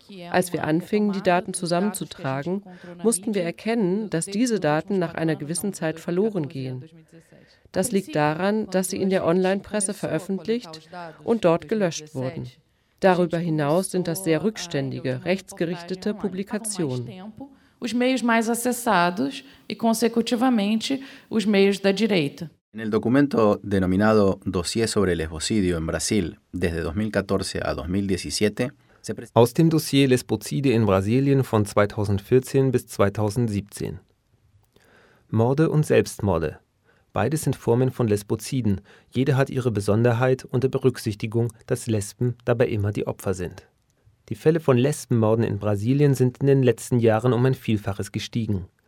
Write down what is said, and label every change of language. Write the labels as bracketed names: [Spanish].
[German] Als wir anfingen, die Daten zusammenzutragen, mussten wir erkennen, dass diese Daten nach einer gewissen Zeit verloren gehen. Das liegt daran, dass sie in der Online-Presse veröffentlicht und dort gelöscht wurden. Darüber hinaus sind das sehr rückständige, rechtsgerichtete Publikationen. [Portuguese] Os meios mais acessados e consecutivamente os meios da direita. [Spanish] En el documento denominado Dossier sobre el lesbocidio en Brasil desde 2014 a 2017. [German] Aus dem Dossier Lesbozide in Brasilien von 2014 bis 2017. Morde und Selbstmorde. Beides sind Formen von Lesboziden. Jede hat ihre Besonderheit unter Berücksichtigung, dass Lesben dabei immer die Opfer sind. Die Fälle von Lesbenmorden in Brasilien sind in den letzten Jahren um ein Vielfaches gestiegen.